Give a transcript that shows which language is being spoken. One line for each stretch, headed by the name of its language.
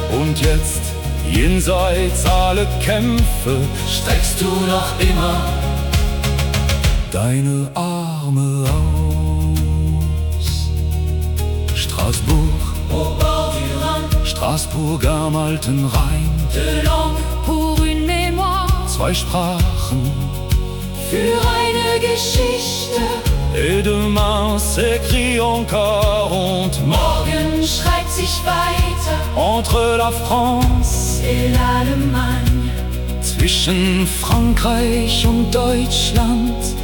German: Und jetzt, jenseits aller Kämpfe, streckst du noch immer deine Arme aus. Straßburg,
French: au bord du Rhin.
German: Straßburg am alten Rhein.
French: De langue pour une mémoire.
German: Zwei Sprachen für eine Geschichte.
French: Et demain s'écrit encore und
German: morgen schreibt sich weiter.
French: Entre la France et l'Allemagne.
German: Zwischen Frankreich und Deutschland.